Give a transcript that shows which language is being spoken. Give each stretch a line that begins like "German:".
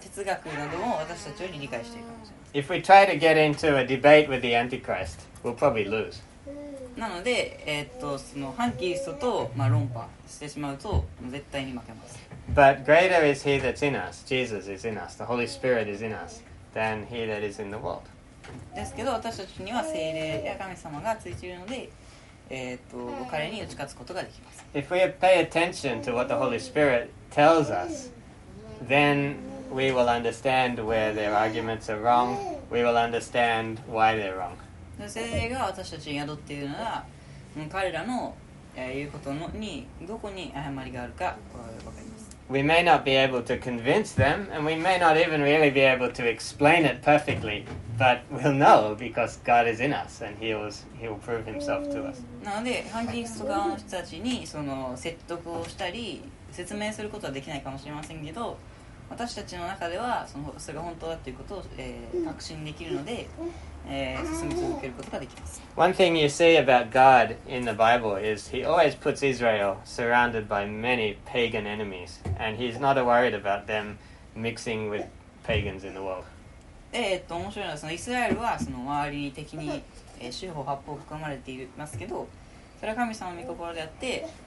Japanese: 哲学なども私たちより理解しているかもしれません。
English: If we try to get into a debate with the Antichrist, we'll probably lose.
Japanese: なので、その反キリストと、まあ、論破してしまうと、絶対に負けます。
English: But greater is He that's in us, Jesus is in us, the Holy Spirit is in us, than He that is in the world.
Japanese: ですけど、私たちには聖霊や神様がついているので、彼に打ち勝つことができます。
English: If we pay attention to what the Holy Spirit tells us, then we will understand where their arguments are wrong. We will understand why they're wrong.
Japanese: 聖霊が私たちに宿っているなら、彼らの言うことのにどこに誤りがあるか分かります。
English: We may not be able to convince them, and we may not even really be able to explain it perfectly, but we'll know because God is in us, and He will prove Himself to us.
Japanese: なので、反キリスト側の人たちにその説得をしたり説明することはできないかもしれませんけど、私たちの中ではそのそれが本当だということを、確信できるので、進み続けることができます。
English: One thing you see about God in the Bible is He always puts Israel surrounded by many pagan enemies, and He's not worried about them mixing with pagans in the world.
Japanese: 面白いのはそのイスラエルはその周りに敵に、四方八方含まれていますけど、それは神様の御心であって。